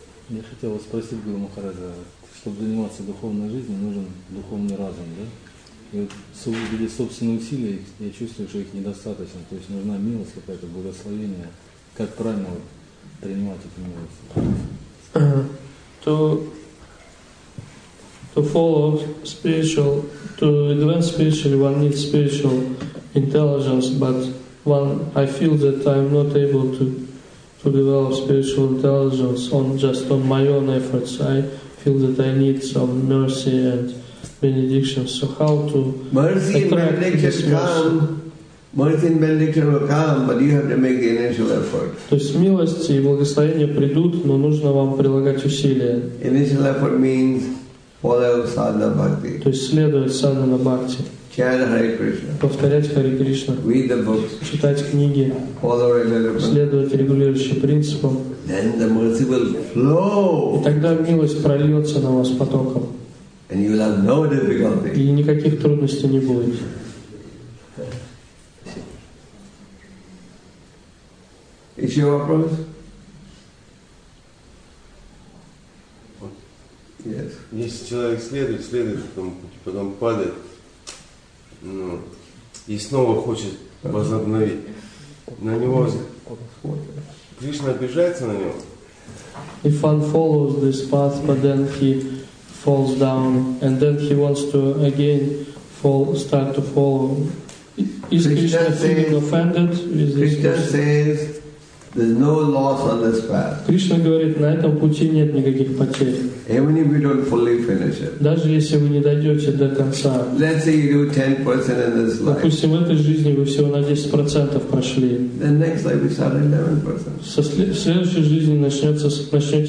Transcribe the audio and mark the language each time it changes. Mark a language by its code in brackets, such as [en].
[ru] Я хотел вас спросить, Гуру Махараджа, чтобы заниматься духовной жизнью, нужен духовный разум, да? И вот для собственных усилий я чувствую, что их недостаточно. То есть нужна милость какая-то, благословение. Как правильно вот принимать эту милость? [en] To follow spiritual, to advance spiritually, one needs spiritual intelligence, but one, I feel that I'm not able to develop spiritual intelligence on just on my own efforts. I feel that I need some mercy and benediction. So how to mercy and benediction come? Mercy and benediction will come, but you have to make the initial effort. [ru] То есть милости и благословения придут, но нужно вам прилагать усилия. [en] Initial effort means follow sadhana bhakti. [ru] То есть следовать sadhana bhakti. Повторять Харе Кришна. [en] Read the books. [ru] Читать книги. [en] Follow regular. [ru] Следовать регулирующим принципам. [en] Then the mercy will flow. [ru] И тогда милость прольется на вас потоком. [en] And you will have no difficulty. [ru] И никаких трудностей не будет. Еще вопрос? [en] Yes. [ru] Если человек следует этому пути, потом падает. Ну, и снова хочет возобновить. На него Кришна обижается на него. [en] If one follows this path, but then he falls down, and then he wants to again fall, start to follow, is Krishna feeling offended? Krishna says, there's no loss on this path. [ru] Кришна говорит, на этом пути нет никаких потерь. [en] Even if you don't fully finish it. [ru] Даже если вы не дойдете до конца. [en] Let's say you do 10% in this life. [ru] Допустим, в этой жизни вы всего на 10% прошли. [en] Then next life you start 11%. [ru] В следующей жизни начнете с 11%.